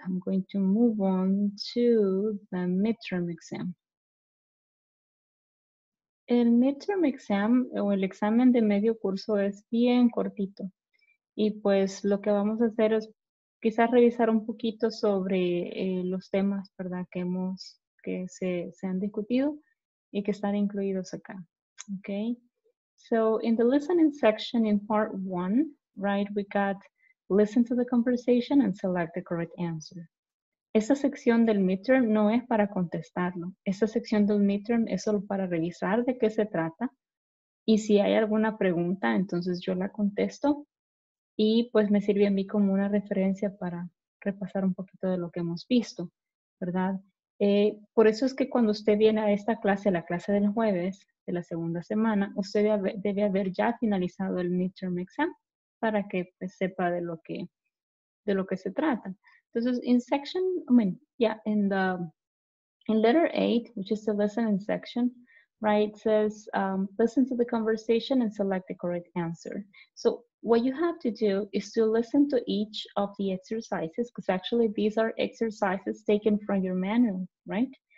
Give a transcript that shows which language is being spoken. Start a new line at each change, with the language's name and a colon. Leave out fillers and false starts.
English: I'm going to move on to the midterm exam.
Spanish: El midterm exam o el examen de medio curso es bien cortito y pues lo que vamos a hacer es quizás revisar un poquito sobre los temas, ¿verdad? Que hemos, que se han discutido y que están incluidos acá.
English: Okay. So in the listening section in part one, right, we got listen to the conversation and select the correct answer.
Spanish: Esta sección del midterm no es para contestarlo. Esta sección del midterm es solo para revisar de qué se trata. Y si hay alguna pregunta, entonces yo la contesto. Y pues me sirve a mí como una referencia para repasar un poquito de lo que hemos visto, ¿verdad? Por eso es que cuando usted viene a esta clase, la clase del jueves de la segunda semana, usted debe haber ya finalizado el midterm exam para que pues, sepa de lo que se trata. Entonces,
English: in section, I mean, yeah, in letter 8, which is the listening section, right, says, listen to the conversation and select the correct answer. So what you have to do is to listen to each of the exercises, because actually these are exercises taken from your manual, right?